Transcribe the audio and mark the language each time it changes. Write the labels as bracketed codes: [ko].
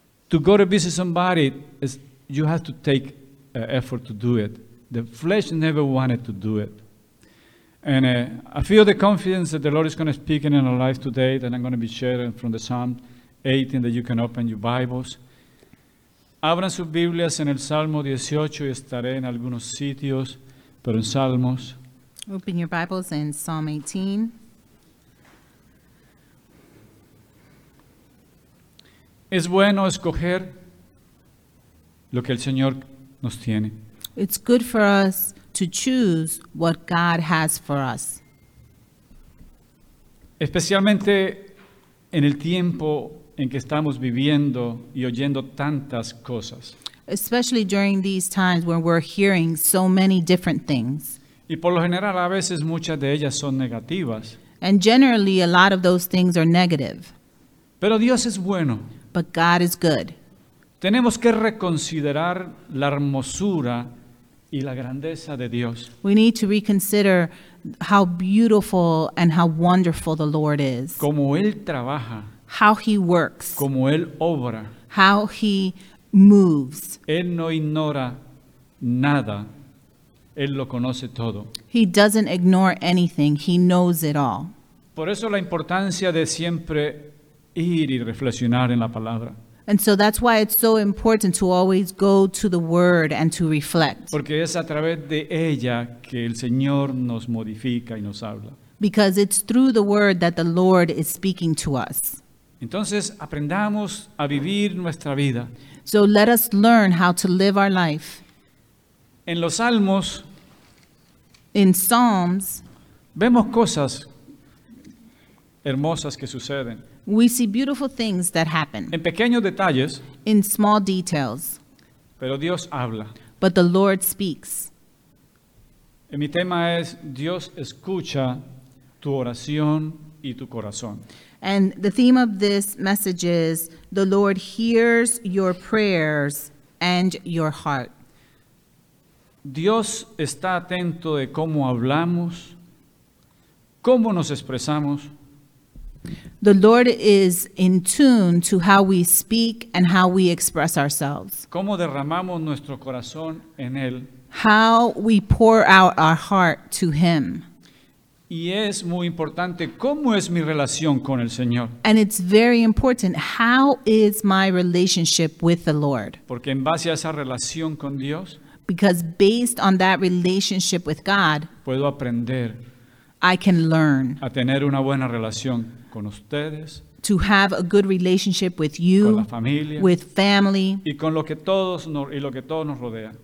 [en] To go to visit somebody, you have to take effort to do it. The flesh never wanted to do it. And I feel the confidence that the Lord is going to speak in our life today, that I'm going to be sharing from the Psalm 18, that you can open your Bibles. [es] Abran sus Biblias en el Salmo 18, y estaré en algunos sitios, pero en Salmos. [en] Open your Bibles in Psalm 18. [es] Es bueno escoger lo que el Señor nos tiene. [en] It's good for us to choose what God has for us. [es] Especialmente en el tiempo en que estamos viviendo y oyendo tantas cosas. [en] Especially during these times where we're hearing so many different things. [es] Y por lo general a veces muchas de ellas son negativas. [en] And generally a lot of those things are negative. [es] Pero Dios es bueno. [en] But God is good. [es] Tenemos que reconsiderar la hermosura y la grandeza de Dios. [en] We need to reconsider how beautiful and how wonderful the Lord is. [es] Como él trabaja. [en] How he works. [es] Como él obra. [en] How he moves. [es] Él no ignora nada. Él lo conoce todo. [en] He doesn't ignore anything. He knows it all. [es] Por eso la importancia de siempre ir y reflexionar en la palabra. [en] And so that's why it's so important to always go to the Word and to reflect. [es] Porque es a través de ella que el Señor nos modifica y nos habla. [en] because it's through the word that the Lord is speaking to us. [es] Entonces, aprendamos a vivir nuestra vida. [en] So let us learn how to live our life. [es] En los Salmos, [en] in Psalms, [es] vemos cosas hermosas que suceden. [en] We see beautiful things that happen. [es] En pequeños detalles, [en] in small details. [es] Pero Dios habla. [en] But the Lord speaks. [es] Y mi tema es, Dios escucha tu oración y tu corazón. [en] And the theme of this message is, the Lord hears your prayers and your heart. [es] Dios está atento de cómo hablamos, cómo nos expresamos. [en] The Lord is in tune to how we speak and how we express ourselves. [es] Cómo derramamos nuestro corazón en Él. [en] How we pour out our heart to Him. [es] Y es muy importante, ¿cómo es mi relación con el Señor? [en] And it's very important, how is my relationship with the Lord? [es] Porque en base a esa relación con Dios, [en] because based on that relationship with God, [es] puedo aprender, [en] I can learn, [es] a tener una buena relación con ustedes, [en] to have a good relationship with you, [es] con la familia, [en] with family, [es] y con lo que todos nos, y lo que todos nos rodean,